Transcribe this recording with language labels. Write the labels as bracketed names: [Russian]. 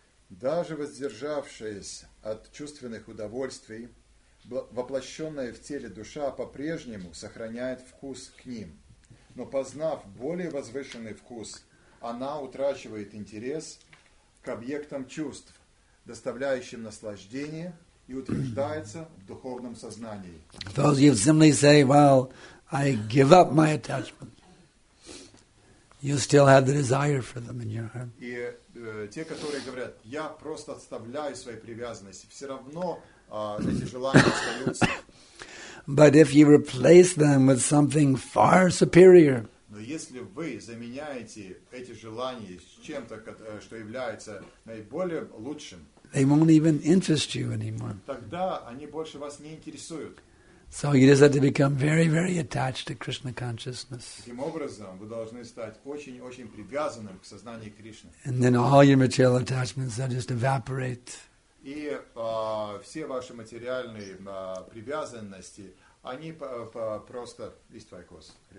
[Russian] Даже воздержавшись от чувственных удовольствий, воплощенная в теле душа по-прежнему сохраняет вкус к ним. Но познав более возвышенный вкус, она утрачивает интерес к объектам чувств, доставляющим наслаждение и утверждается в духовном сознании. [English] Those you simply say, well, I give up my attachment. You still have the desire for them in your heart. [Russian] И те, которые говорят, я просто отставляю свои привязанности, все равно эти желания остаются. [English] But if you replace them with something far superior. [Russian] Но если вы заменяете эти желания с чем-то, что является наиболее лучшим, [English] they won't even interest you anymore. [Russian] Тогда они больше вас не интересуют. [English] So you just have to become very, very attached to Krishna consciousness. [Russian] Таким образом, вы должны стать очень-очень привязанным к сознанию Кришны. [English] And then all your material attachments will just evaporate. [Russian] И все ваши материальные привязанности, они просто исчезают.